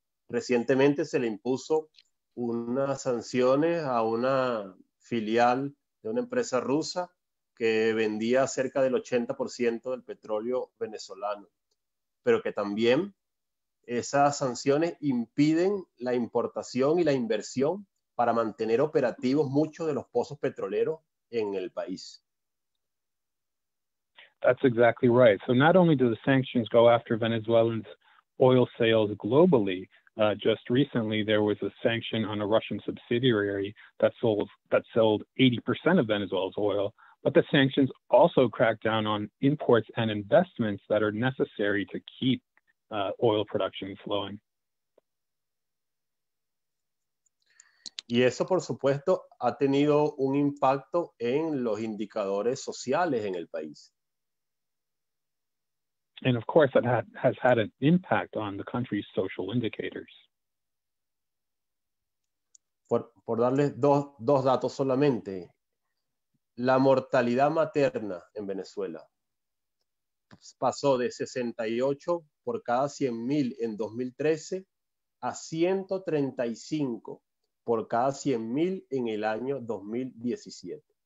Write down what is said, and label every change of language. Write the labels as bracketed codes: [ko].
[es] Recientemente se le impuso unas sanciones a una filial de una empresa rusa que vendía cerca del 80% del petróleo venezolano, pero que también esas sanciones impiden la importación y la inversión para mantener operativos muchos de los pozos petroleros en el país. [en] That's exactly right. So not only do the sanctions go after Venezuelans' oil sales globally, just recently, there was a sanction on a Russian subsidiary that sold 80% of Venezuela's oil, but the sanctions also cracked down on imports and investments that are necessary to keep oil production flowing. [es] Y eso, por supuesto, ha tenido un impacto en los indicadores sociales en el país. [en] And of course, that has had an impact on the country's social indicators. [es] Por darles dos datos solamente, la mortalidad materna en Venezuela pasó de 68 por cada 100,000 en 2013 a 135 por cada 100,000 en el año 2017.